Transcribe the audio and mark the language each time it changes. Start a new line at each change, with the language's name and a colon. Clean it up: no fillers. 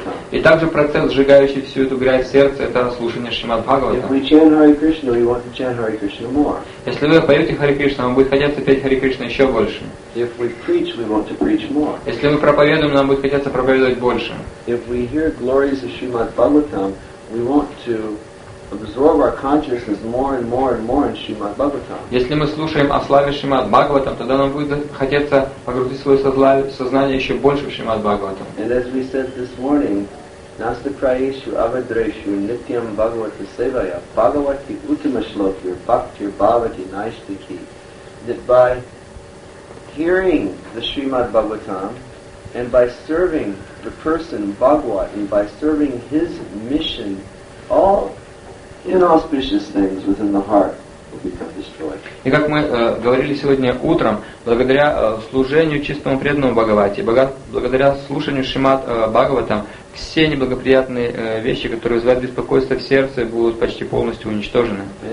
Russian: И также процесс, сжигающий всю эту грязь в сердце, это слушание Шримад Бхагаватам. Если вы поете Харе Кришну, вам будет хотеться петь Харе Кришну еще больше.
English: If we preach, we want to preach more.
Russian: Если мы проповедуем, нам будет хотеться проповедовать больше.
English: If we hear glories of Shrimad Bhagavatam, we want to absorb our consciousness more and more and more in Shrimad Bhagavatam.
Russian: Если мы слушаем о славе Шримад Бхагаватам, тогда нам будет хотеться погрузить свое сознание еще больше в Шримад Бхагаватам.
English: And as we said this morning,
Sanskrit: Nasta Prayeshu Avadreshu Nityam Bhagavata Sevaya Bhagavati Uttama Shlokir Bhaktir Bhavati Naishtiki,
English: that by hearing the Shrimad Bhagavatam and by serving the person Bhagavat and by serving his mission, all inauspicious things within the heart will become destroyed.
Russian: И как мы говорили сегодня утром, благодаря служению чистому преданному Бхагавате, благодаря слушанию Шримад Бхагаватам, к все неблагоприятные вещи, которые вызывают беспокойство в сердце, будут почти полностью уничтожены.